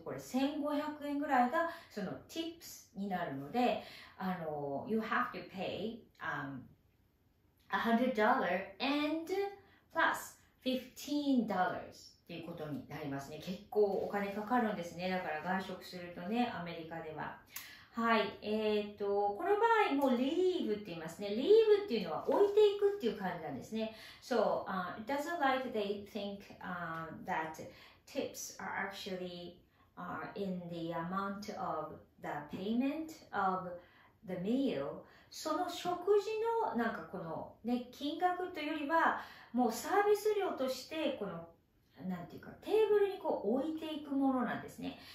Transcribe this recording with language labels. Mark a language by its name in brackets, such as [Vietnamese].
[Japanese] これ1500円ぐらいがその tips になるので、 [English] you have to pay, $100 and plus $15. [Japanese] っていうことになりますね。結構お金かかるんですね。だから外食するとね、アメリカでは。はい。この場合も leave って言いますね。leave っていうのは置いていくっていう感じなんですね。 [English] So, it doesn't like they think, that tips are actually, in the amount of the payment of the meal. [Japanese] その食事のなんかこのね、金額というよりは、もうサービス料としてこのなんていうか、テーブルにこう置いていくものなんですね。